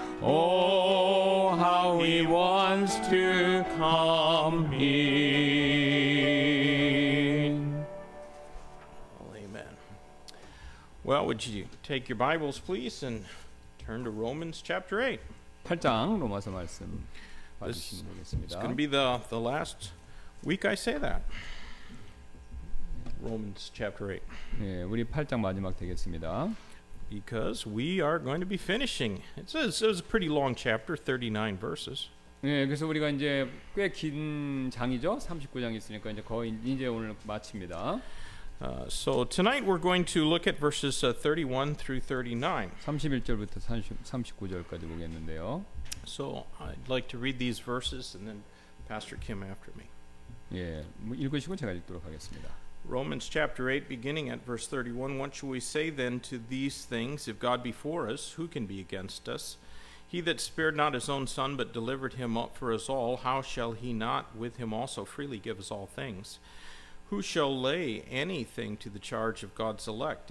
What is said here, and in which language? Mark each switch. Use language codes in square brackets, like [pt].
[en] Oh, how he wants to come in. Well, amen. Well, would you take your Bibles, please, and turn to Romans chapter 8. [ko] 8장 로마서 말씀 받으시면 되겠습니다. [en] It's going to be the last week I say that. Romans chapter 8. [ko] 네, 우리 8장 마지막 되겠습니다. [en] Because we are going to be finishing. It's a pretty long chapter, 39 verses. [ko] 네, 그래서 우리가 이제 꽤 긴 장이죠. 39장 있으니까 이제 거의 이제 오늘 마칩니다. [en] So tonight we're going to look at verses 31 through 39. [ko] 31절부터 39절까지 보겠는데요. [en] So I'd like to read these verses and then Pastor Kim after me. [ko] 예, 읽으시고 제가 읽도록 하겠습니다. [en] Romans chapter 8 beginning at verse 31. What shall we say then to these things? If God be for us, who can be against us? He that spared not his own son but delivered him up for us all, how shall he not with him also freely give us all things? Who shall lay anything to the charge of God's elect?